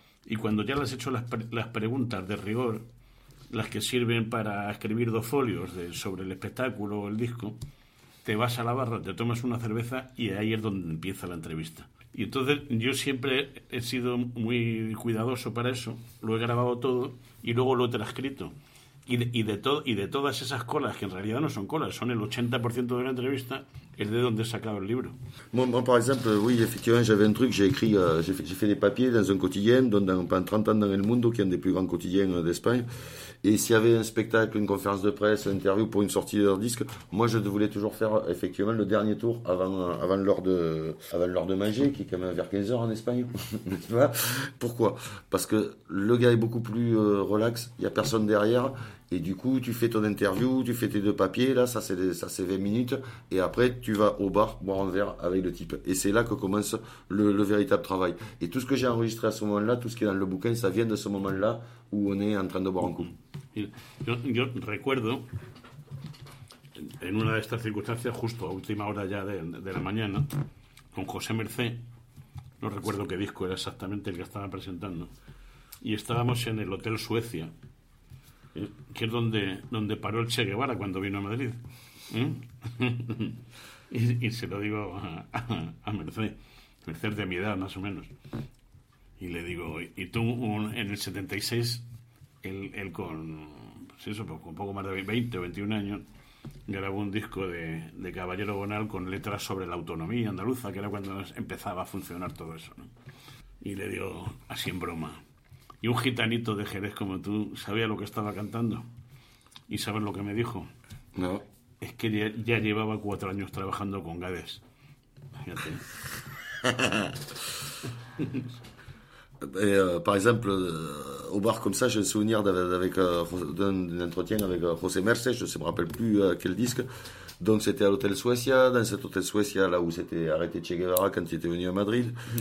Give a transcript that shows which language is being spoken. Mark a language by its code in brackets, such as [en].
[es] Y cuando ya le has hecho las preguntas de rigor, las que sirven para escribir dos folios sobre el espectáculo o el disco, te vas a la barra, te tomas una cerveza y ahí es donde empieza la entrevista. Y entonces yo siempre he sido muy cuidadoso para eso, lo he grabado todo y luego lo he transcrito. Y de todas esas colas, que en realidad no son colas, son el 80% de la entrevista, es de donde he sacado el libro. [fr] Moi, par exemple, oui, effectivement, j'avais un truc, j'ai fait des papiers dans un quotidien, pendant 30 ans dans El Mundo, qui est un des plus grands quotidiens d'Espagne. Et s'il y avait un spectacle, une conférence de presse, une interview pour une sortie de leur disque, moi, je voulais toujours faire, effectivement, le dernier tour avant l'heure de manger, qui est quand même vers 15h en Espagne. Pourquoi ? Parce que le gars est beaucoup plus relax, il n'y a personne derrière. Et du coup, tu fais ton interview, tu fais tes deux papiers, là, ça c'est 20 minutes, et après, tu vas au bar boire un verre avec le type. Et c'est là que commence le véritable travail. Et tout ce que j'ai enregistré à ce moment-là, tout ce qui est dans le bouquin, ça vient de ce moment-là où on est en train de boire un coup. [es] Yo recuerdo, en una de estas circunstancias, justo a última hora ya de la mañana, con José Mercé, no recuerdo qué disco era exactamente el que estaba presentando, y estábamos en el Hotel Suecia, que es donde paró el Che Guevara cuando vino a Madrid. ¿Eh? y se lo digo a Mercedes de mi edad, más o menos. Y le digo, y tú en el 76, él con, pues eso, pues con poco más de 20 o 21 años, grabó un disco de Caballero Bonal con letras sobre la autonomía andaluza, que era cuando empezaba a funcionar todo eso, ¿no? Y le digo, así en broma, y un gitanito de Jerez como tú sabía lo que estaba cantando. ¿Y sabes lo que me dijo? No. Es que ya llevaba 4 años trabajando con Gades. Fíjate. [fr] Et, par exemple, au bar comme ça, j'ai un souvenir d'un entretien avec José Mercé, je ne me rappelle plus quel disque. Donc c'était à l'hôtel Suecia, dans cet hôtel Suecia, là où s'était arrêté Che Guevara quand il était venu à Madrid.